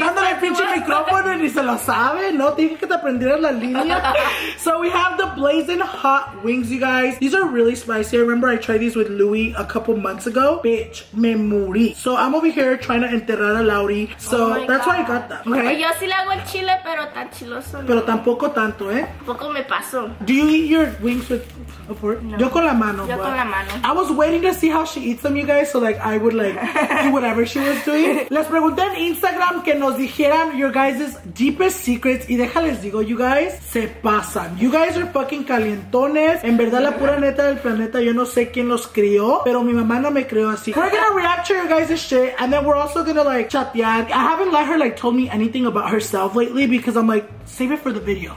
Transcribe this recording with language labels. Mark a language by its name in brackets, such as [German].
[Spanish] Dándole pinche micrófono y ni se lo sabe. No, dije que te aprendieras la línea. [English] So we have the blazing hot wings, you guys. These are really spicy. I remember I tried these with Louis a couple months ago. Bitch, [Spanish] me morí. [English] So I'm over here trying to [Spanish] enterrar a [English] Lauri. So oh that's God. Why I got that. Okay. [Spanish] Yo sí le hago el chile, pero tan chiloso. Pero no. Tampoco tanto, ¿eh? Poco me pasó. [English] Do you eat your wings with a fork? [Spanish] No. Yo con la mano. Yo con la mano. [English] I was waiting to see how she eats them, you guys. So like, I would like do whatever she was doing. [Spanish] Les pregunté en Instagram que nos dijeran [English] your guys' deepest secrets. [Spanish] Y déjales digo, [English] you guys, [Spanish] se pasan. [English] You guys are fucking [Spanish] calientones. En verdad, la pura neta del planeta, yo no sé quién los crió, pero mi mamá no me crió así. [English] We're gonna react to your guys' shit, and then we're also gonna, like, chatear. I haven't let her, like, told me anything about herself lately, because I'm like, save it for the video.